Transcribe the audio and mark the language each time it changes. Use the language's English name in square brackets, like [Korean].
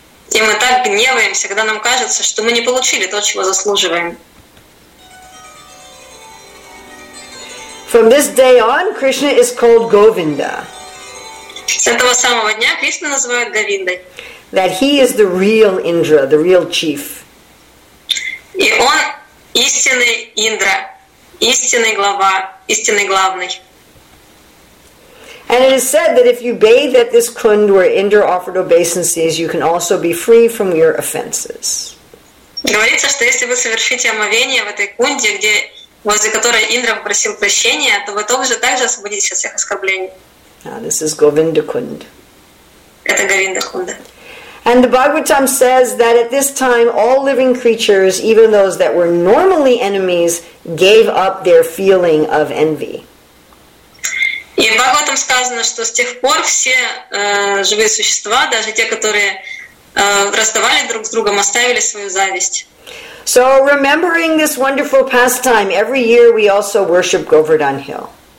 [Russian] И мы так гневаемся, когда нам кажется, что мы не получили то, чего заслуживаем. [English] From this day on, Krishna is called Govinda. [Russian] С этого самого дня Кришна называют Говиндой. [English] That he is the real Indra, the real chief. [Russian] И он истинный Индра, истинный глава, истинный главный. [English] And it is said that if you bathe at this kund where Indra offered obeisances, you can also be free from your offenses. [Russian] Говорится, что если вы совершите омовение в этой кунде, где возле которой Индра попросил прощения, то вы тоже также освободитесь от всех оскорблений. [English] This is Govinda kund. [Russian] Это Говинда кунда. [English] And the Bhagavatam says that at this time all living creatures, even those that were normally enemies, gave up their feeling of envy. [Russian] И в Бхагаватам сказано, что с тех пор все живые существа, даже те, которые враждовали друг с другом, оставили свою зависть. [English] So remembering this wonderful pastime, every year we also worship Govardhan Hill.